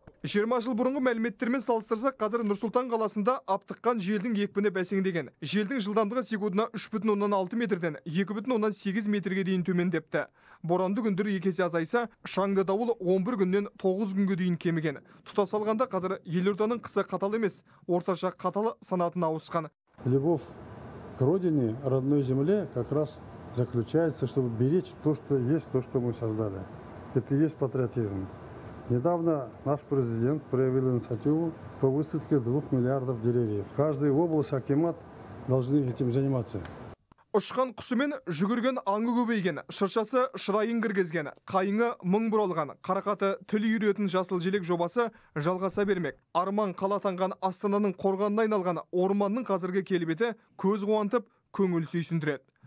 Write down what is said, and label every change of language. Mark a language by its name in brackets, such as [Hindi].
[Kazakh] 20 жыл бұрынғы мәліметтермен салыстырсақ, қазір Нұр-Сұлтан қаласында аптыққан желдің екпіні бәсеңдеген. Желдің жылдамдығы секундына 3.6 метрден 2.8 метрге дейін төмендепті. Боранды күндері екі есе азайса, шаңды дауыл 11 күннен 9 күнге дейін кеміген. Тұтас алғанда қазір елорданың қысы қатал емес, орташа қатал санатына ауысқан. [Russian] Любовь к родине, родной земле как раз заключается, чтобы беречь то, что есть, то, что мы создали. Это и есть патриотизм. Недавно наш президент проявил инициативу по высадке 2 миллиардов деревьев. Каждый область, акимат должны этим заниматься. [Kazakh] Ұшқан құсымен жүгірген аңы көбейген, шыршасы шырайын кіргізген, қайыңы мың бұралған, қарақаты тіл үйретін жасыл желек жобасы жалғаса бермек. Арман қалатанған Астананың қорғанына айналған орманның қазіргі келбеті көз қуантып, көңіл сүйсіндіреді.